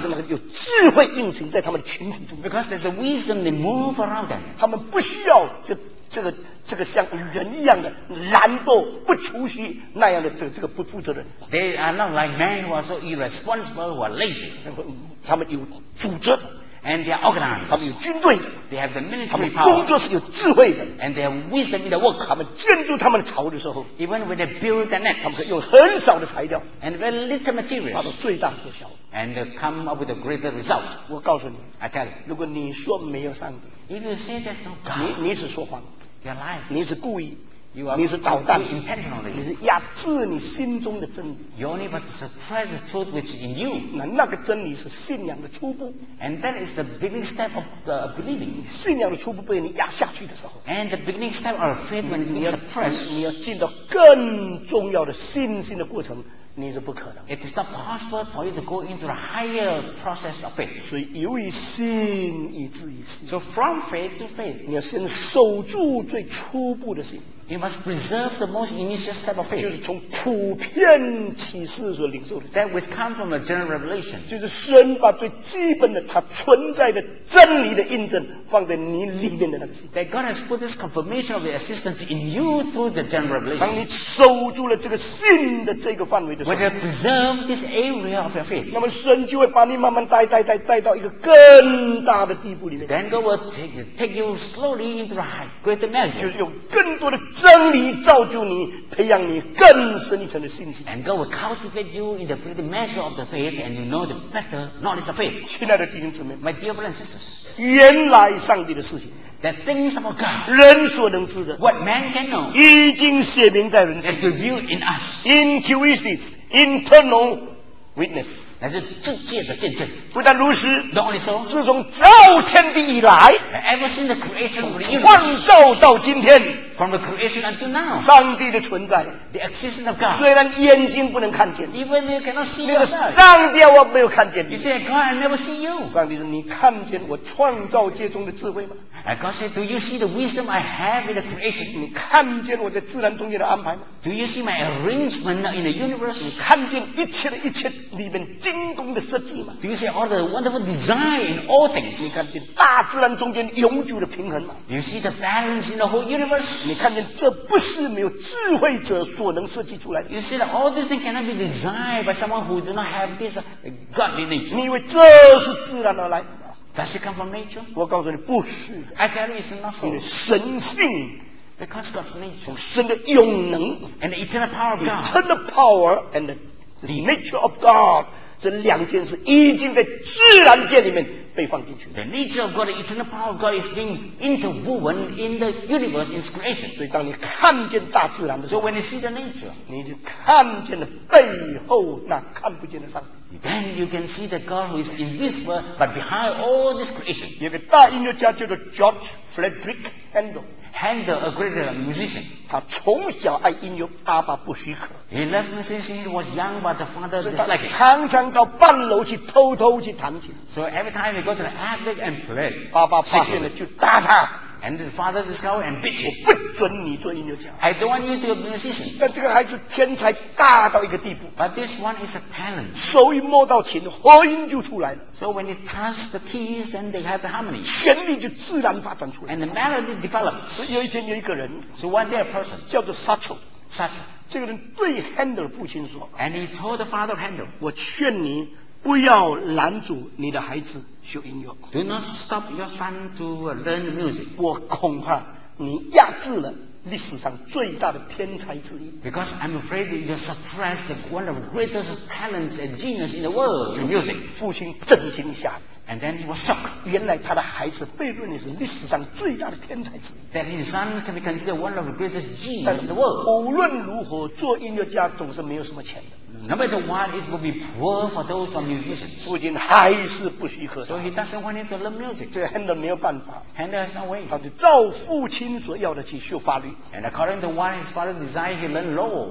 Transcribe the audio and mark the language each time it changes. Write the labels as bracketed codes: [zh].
[zh] 就是那个有智慧运行在他们的群体中。 [en] Because there's a wisdom they move around them. [zh] 他们不需要这个像人一样的懒惰不出息那样的这个不负责任。 [en] They are not like men who are so irresponsible who are lazy. [zh] 他们有组织。 [en] And they are organized. [zh] 他们有军队。 [en] They have the military power. [zh] 他们工作是有智慧的。 [en] And they have wisdom in their work. [zh] 他们建筑他们的巢的时候。 [en] Even when they build their net. [zh] 他们可以用很少的材料。 [en] And very little materials. [zh] 把它最大缩小。 [en] And they come up with a greater result. [zh] 我告诉你。 [en] I tell you. [zh] 如果你说没有上帝。 [en] If you say there's no God. [zh] 你是说谎。 [en] You're lying. [zh] 你是故意。 [en] You are [zh] 你是捣蛋。 [en] Intentionally. [zh] 你是压制你心中的真理。 [en] You only but to suppress the truth which is in you. [zh] 那个真理是信仰的初步。 [en] And that is the beginning step of the believing. [zh] 信仰的初步被你压下去的时候。 [en] And the beginning step of faith when you suppress. [zh] 你要进到更重要的信心的过程。你是不可能。 [en] It is not possible for you to go into the higher process of faith. [zh] 所以由于信以至于信。 [en] So from faith to faith. [zh] 你要先守住最初步的信。 [en] You must preserve the most initial step of faith. [zh] 就是从普遍启示所领受的。 [en] That which comes from the general revelation. [zh] 就是神把最基本的它存在的真理的印证放在你里面的那个信。 [en] That God has put this confirmation of the existence in you through the general revelation. [zh] 当你守住了这个信的这个范围的时候。 [en] When you preserve this area of your faith. [zh] 那么神就会把你慢慢带到一个更大的地步里面。 [en] Then God will take you slowly into the higher, greater measure. [zh] 就有更多的真理造就你，培养你更深一层的信心。 [en] And God will cultivate you in the greater measure of the faith, and you know the better knowledge of faith. [zh] 亲爱的弟兄姊妹 [en] ，My dear brothers and sisters， [zh] 原来上帝的事情 [en] ，The things of God， [zh] 人所能知的 [en] ，What man can know， [zh] 已经写明在人心 [en] ，That's revealed in us， intuitive internal witness。 [zh] 乃是自界的见证。不但如此 [en] ，Not only so， [zh] 自从造天地以来 [en] ，Ever since the creation， [zh] 创造到今天 [en] ，From the creation until now， [zh] 上帝的存在 [en] ，The existence of God， [zh] 虽然眼睛不能看见 [en] ，Even you cannot see yourself， [zh] 那个上帝我没有看见 [en] ，You say God I never see you， [zh] 上帝说你看见我创造界中的智慧吗 [en] ？And God said， Do you see the wisdom I have in the creation？ [zh] 你看见我在自然中间的安排吗 [en] ？Do you see my arrangement in the universe？ [zh] 你看见一切的一切里面。精工的设计嘛 [en] ，Do you see all the wonderful design in all things？ [zh] 你看见大自然中间永久的平衡吗 [en] ？Do you see the balance in the whole universe？ [zh] 你看见这不是没有智慧者所能设计出来的 [en] ？You see that all these things cannot be designed by someone who do not have this godly nature？ [zh] 你以为这是自然而来 [en] ？Does it come from nature？ [zh] 我告诉你不是 [en] ，I tell you it's not so。 [zh] 你的神性。 [en] Because God's nature， [zh] 从神的永能 [en] ，and the eternal power of God， eternal power and the nature of God。 [zh] 这两件事已经在自然界里面被放进去。 [en] The nature of God, the eternal power of God is being interwoven in the universe, in creation. [zh] 所以当你看见大自然的时候 [en] ，So when you see the nature， [zh] 你就看见了背后那看不见的上帝。 [en] Then you can see the God who is in this world, but behind all this creation。 [zh] 有个大音乐家叫做 George Frederick Handel。 [en] Handel, a great musician. [zh] 他从小爱音乐，爸爸不许可。 [en] He loved music since he was young, but the father disliked it. [zh] 常常到半楼去偷偷去弹琴。 [en] So every time he go to the attic and play, [zh] 爸爸发现了就打他。 [en] And the father discovered and beat him. [zh] 我不准你做音乐家。 [en] I don't want you to be a musician. [zh] 但这个孩子天才大到一个地步。 [en] But this one is a talent. [zh] 手一摸到琴，和音就出来了。 [en] So when he touch the keys, then they have the harmony. [zh] 旋律就自然发展出来。 [en] And the melody develops. [zh] 有一天有一个人 [en] ，So one day a person [zh] 叫做 Satchel。 [en] Satchel [zh] 这个人对 Handel 父亲说 [en] ，And he told the father of Handel， [zh] 我劝你。不要拦阻你的孩子学音乐。 [en] Do not stop your son to learn music. [zh] 我恐怕你压制了历史上最大的天才之一。 [en] Because I'm afraid you suppressed one of the greatest talents and genius in the world, in music. [zh] 父亲震惊下。 [en] And then he was shocked. [zh] 原来他的孩子被认为是历史上最大的天才之一。 [en] That his son can be considered one of the greatest genius in the world. [zh] 无论如何，做音乐家总是没有什么钱的。 [en] No matter what, it will be poor for those who are musicians. [zh] 父亲还是不许可。 [en] So he doesn't want him to learn music. [zh] 这个 Handel 没有办法。 [en] Handel has no way. [zh] 他就照父亲所要的去修法律。 [en] And according to what his father desired, he learned law.